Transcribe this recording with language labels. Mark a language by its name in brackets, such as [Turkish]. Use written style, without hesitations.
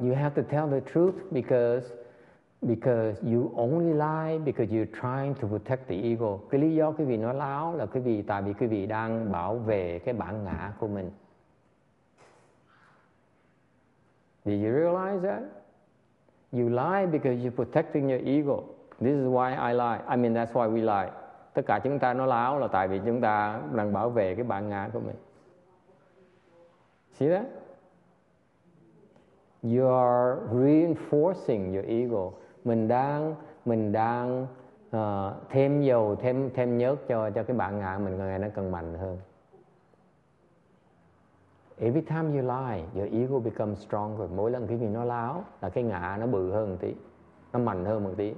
[English] You have to tell the truth because you only lie because you're trying to protect the ego. [Vietnamese] Cái lý do quý vị nói láo là quý vị tại vì quý vị đang bảo vệ cái bản ngã của mình. [English] Did you realize that? You lie because you're protecting your ego. This is why I lie. I mean, that's why we lie. [Vietnamese] Tất cả chúng ta nói láo là tại vì chúng ta đang bảo vệ cái bản ngã của mình. [English] See that? You are reinforcing your ego. [Vietnamese] Mình đang thêm dầu, thêm nhớt cho cái bản ngã mình ngày nó càng mạnh hơn. [English] Every time you lie, your ego becomes stronger. [Vietnamese] Mỗi lần quý vị nói láo là cái ngã nó bự hơn một tí, nó mạnh hơn một tí.